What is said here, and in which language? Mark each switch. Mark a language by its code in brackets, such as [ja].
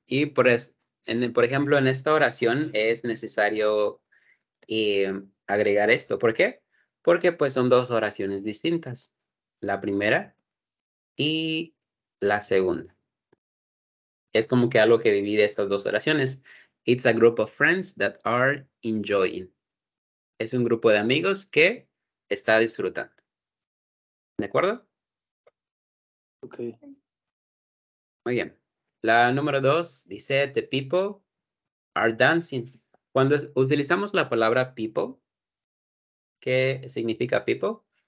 [es] Y por ejemplo, en esta oración es necesario agregar esto. ¿Por qué? Porque pues son dos oraciones distintas. La primera y la segunda. Es como que algo que divide estas dos oraciones. [en] It's a group of friends that are enjoying. [es] Es un grupo de amigos que está disfrutando. ¿De acuerdo? Okay. Muy bien. La número dos dice, [en] the people are dancing. [es] Cuando utilizamos la palabra people, ¿qué significa people?